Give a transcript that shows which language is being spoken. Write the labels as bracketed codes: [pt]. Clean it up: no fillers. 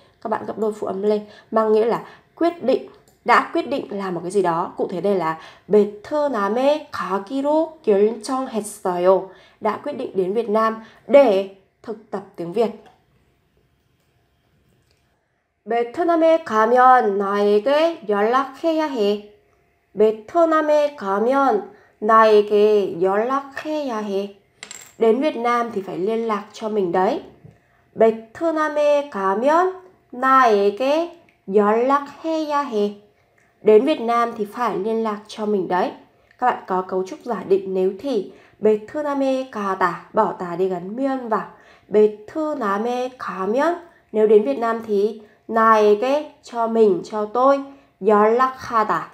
[vi] Các bạn gấp đôi phụ âm lên, mang nghĩa là quyết định, đã quyết định làm một cái gì đó. Cụ thể đây là [ko] 베트남에 가기로 결정했어요. [vi] Đã quyết định đến Việt Nam để thực tập tiếng Việt. [ko] 베트남에 가면 나에게 연락해야 해. 베트남에 가면 나에게 연락해야 해. [vi] Đến Việt Nam thì phải liên lạc cho mình đấy. [ko] 베트남에 가면 나에게 연락해야 해. [vi] Đến Việt Nam thì phải liên lạc cho mình đấy. Các bạn có cấu trúc giả định nếu thì [ko] 베트남에 가다, [vi] bỏ 다 đi gắn면 vào. [ko] 베트남에 가면, [vi] nếu đến Việt Nam thì [ko] 나에게, [vi] cho mình, cho tôi, [ko] 연락하다.